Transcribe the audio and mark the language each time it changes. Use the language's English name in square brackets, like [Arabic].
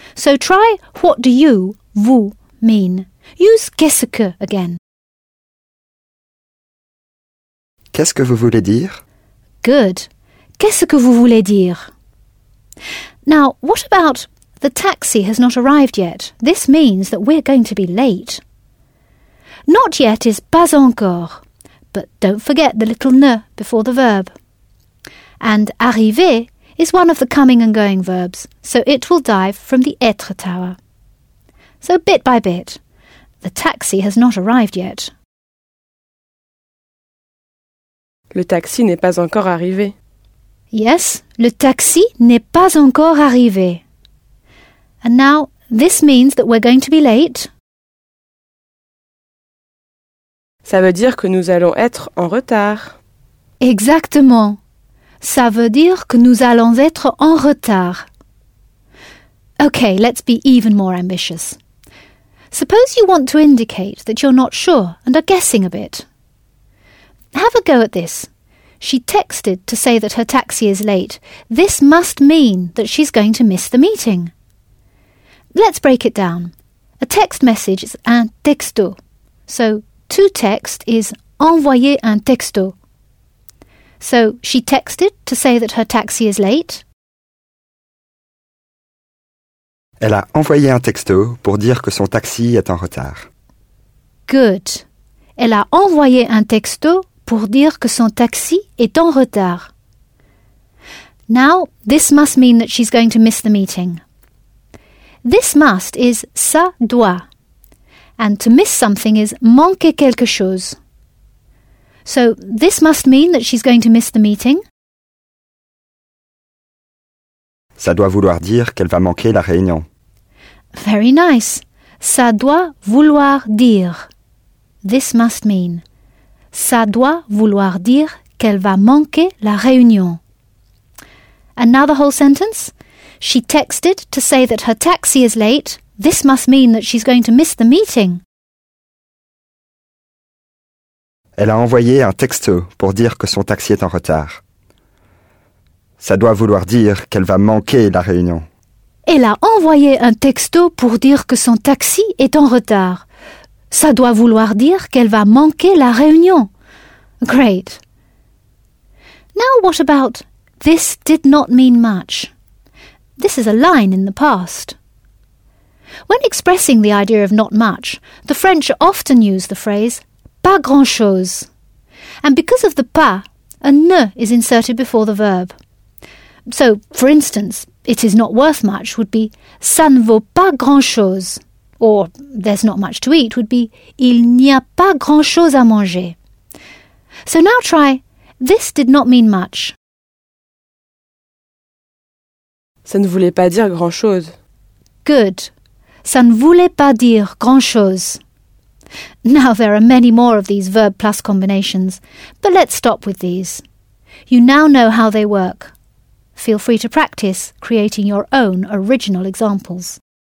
[English] So try what do you, vous, mean. Use qu'est-ce que again. [French] Qu'est-ce que vous voulez dire? [English] Good. [French] Qu'est-ce que vous voulez dire? [English] Now, what about the taxi has not arrived yet? This means that we're going to be late. Not yet is pas encore, but don't forget the little ne before the verb. And arriver is one of the coming and going verbs, so it will dive from the être tower. So bit by bit, the taxi has not arrived yet. [French] Le taxi n'est pas encore arrivé. Yes, le taxi n'est pas encore arrivé. [English] And now, this means that we're going to be late. [French] Ça veut dire que nous allons être en retard. Exactement. Ça veut dire que nous allons être en retard. [English] Okay, let's be even more ambitious. Suppose you want to indicate that you're not sure and are guessing a bit. Have a go at this. She texted to say that her taxi is late. This must mean that she's going to miss the meeting. Let's break it down. A text message is un texto. So, to text is envoyer un texto. So, she texted to say that her taxi is late. [French] Elle a envoyé un texto pour dire que son taxi est en retard. [English] Good. [French] Elle a envoyé un texto pour dire que son taxi est en retard. [English] Now, this must mean that she's going to miss the meeting. This must is ça doit. And to miss something is manquer quelque chose. So, this must mean that she's going to miss the meeting. [French] Ça doit vouloir dire qu'elle va manquer la réunion. [English] Very nice. [French] Ça doit vouloir dire. [English] This must mean. [French] Ça doit vouloir dire qu'elle va manquer la réunion. [English] Another whole sentence. She texted to say that her taxi is late. This must mean that she's going to miss the meeting. [French] Elle a envoyé un texto pour dire que son taxi est en retard. Ça doit vouloir dire qu'elle va manquer la réunion. Elle a envoyé un texto pour dire que son taxi est en retard. Ça doit vouloir dire qu'elle va manquer la réunion. [English] Great. Now what about this did not mean much? This is a line in the past. When expressing the idea of not much, the French often use the phrase pas grand-chose. And because of the pas, a ne is inserted before the verb. So, for instance, it is not worth much would be [French] ça ne vaut pas grand-chose. [English] Or, there's not much to eat would be [French] il n'y a pas grand-chose à manger. [English] So now try this did not mean much. [French] Ça ne voulait pas dire grand-chose. [English] Good. [French] Ça ne voulait pas dire grand-chose. [English] Now there are many more of these verb plus combinations, but let's stop with these. You now know how they work. Feel free to practice creating your own original examples.